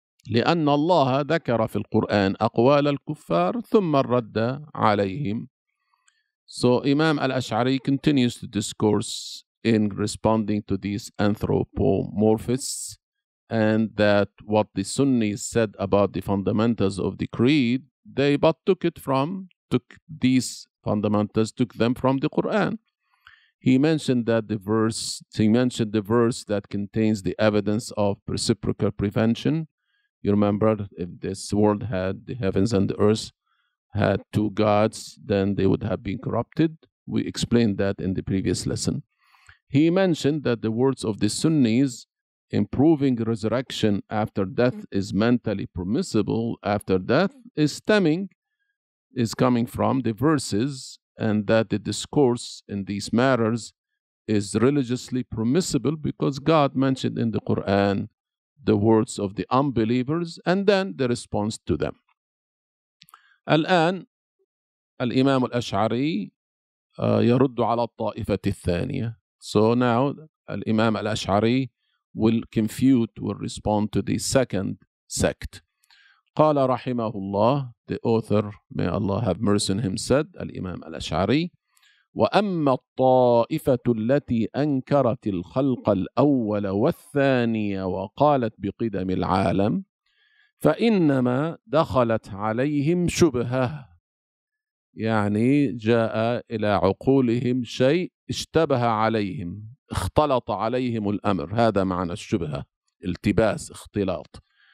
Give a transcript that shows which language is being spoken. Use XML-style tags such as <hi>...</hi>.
<ar>لأن الله ذكر في القرآن أقوال الكفار ثم الرد عليهم.</ar> <en>So Imam al-Ash'ari continues to discourse in responding to these anthropomorphists, and that what the Sunnis said about the fundamentals of the creed, they but took these fundamentals from the Quran. He mentioned the verse that contains the evidence of reciprocal prevention. You remember, if this world had the heavens and the earth had two gods, then they would have been corrupted. We explained that in the previous lesson. He mentioned that the words of the Sunnis improving resurrection after death is mentally permissible after death is coming from the verses, and that the discourse in these matters is religiously permissible because God mentioned in the Quran the words of the unbelievers and then the response to them.</en> <ar>الآن الإمام الأشعري يرد على الطائفة الثانية.</ar> <en>So now الإمام الأشعري will confute, will respond to the second sect.</en> <ar>قال رحمه الله,</ar> <en>the author, may Allah have mercy on him, said,</en> <ar>الإمام الأشعري, وأما الطائفة التي أنكرت الخلق الأول والثاني وقالت بقدم العالم فإنما دخلت عليهم شبهة, يعني جاء إلى عقولهم شيء اشتبه عليهم, اختلط عليهم الأمر, هذا معنى الشبهة, التباس, اختلاط.</ar>